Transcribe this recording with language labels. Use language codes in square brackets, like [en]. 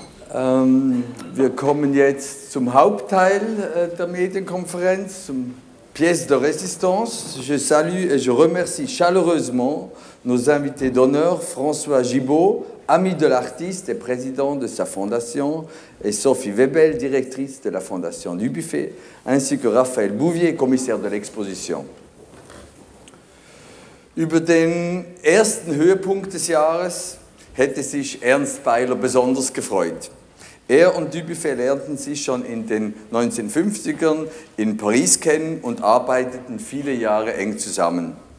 [de] Wir kommen jetzt zum Hauptteil der Medienkonferenz, zum Pièce de Résistance. [fr] Je salue et je remercie chaleureusement nos invités d'honneur, François Gibault, ami de l'artiste et président de sa fondation, et Sophie Webel, directrice de la fondation du Buffet, ainsi que Raphaël Bouvier, commissaire de l'exposition. [de] Über den ersten Höhepunkt des Jahres hätte sich Ernst Beiler besonders gefreut. Er und Dubuffet lernten sich schon in den 1950ern in Paris kennen und arbeiteten viele Jahre eng zusammen.